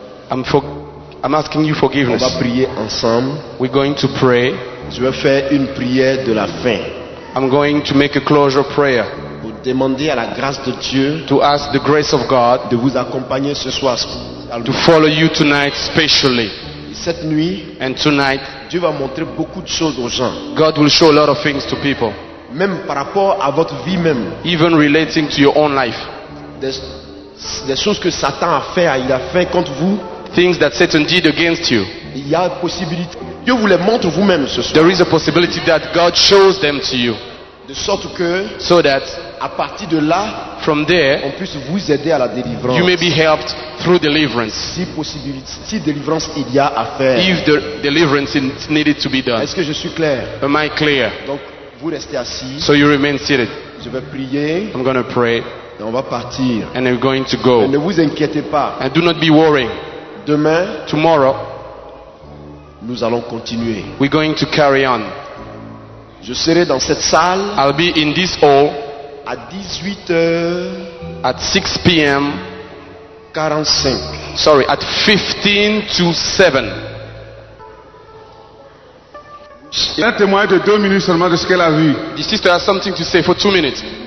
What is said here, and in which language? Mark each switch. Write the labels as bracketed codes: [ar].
[en] I'm asking you forgiveness. [fr] On va prier ensemble. [en] We're going to pray. [fr] Je vais faire une prière de la fin. [en] I'm going to make a closure prayer. [fr] Pour demander à la grâce de Dieu, [en] to ask the grace of God, [fr] de vous accompagner ce soir, [en] to follow you tonight specially. [fr] Cette nuit, [en] and tonight, [fr] Dieu va montrer beaucoup de choses aux gens. [en] God will show a lot of things to people. [fr] Même par rapport à votre vie même. [en] Even relating to your own life. [fr] Des choses que Satan a fait, il a fait contre vous. [en] Things that Satan did against you. [fr] Il y a possibilité. Dieu vous les montre vous-même ce soir. [en] There is a possibility that God shows them to you. [fr] De sorte que, [en] so that, [fr] à partir de là, [en] from there, [fr] on puisse vous aider à la délivrance. [en] You may be helped through deliverance. [fr] Si possibilité, si délivrance il y a à faire. [en] If the deliverance needed to be done. [fr] Est-ce que je suis clair? [en] Am I clear? [fr] Donc, vous restez assis. [en] So you remain seated. [fr] Je vais prier. [en] I'm going to pray. [fr] Et on va partir. [en] And I'm going to go. [fr] Mais ne vous inquiétez pas. [en] And do not be worried. [fr] Demain, [en] tomorrow, [fr] nous allons continuer. [en] We're going to carry on. [fr] Je serai dans cette salle. [en] I'll be in this hall [fr] à 18h [en] at 6 p.m. [fr] 45. [en] Sorry, at 15 to 7. [fr] Elle a témoigné de 2 minutes seulement de ce qu'elle a vu. [en] The sister has something to say for 2 minutes.